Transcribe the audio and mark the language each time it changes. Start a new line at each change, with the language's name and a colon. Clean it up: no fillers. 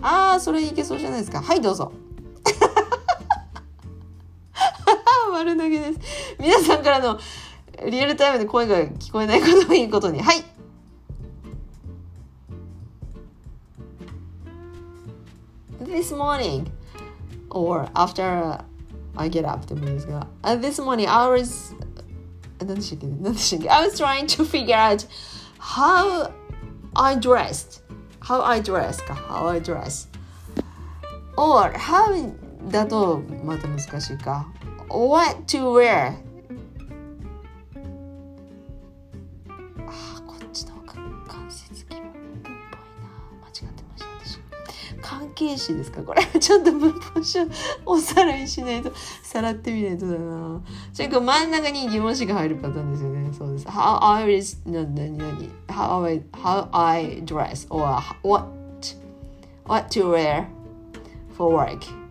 Japanese: ああ、それいけそうじゃないですか。はい、どうぞ。丸投げです。皆さんからのリアルタイムで声が聞こえないことをいいことに。はい。
English: This morning or after I get up
Japanese: でもいいですが、
English: This morning I was
Japanese: 何でしたっけ
English: I was trying to figure out how I dressed. How I dress
Japanese: か。
English: How I dress. Or how
Japanese: だとまた難しいか。
English: What to wear?
Japanese: ああ、こっちの関節疑問っぽいな。間違ってました、私。関係詞ですか、これ。ちょっと文法書おさらいしないと、さらってみないとだな。ちょっと真ん中に疑問詞が入るパターンですよね。そうです。
English: How I was,
Japanese: 何、
English: how I dress, or what to wear for work.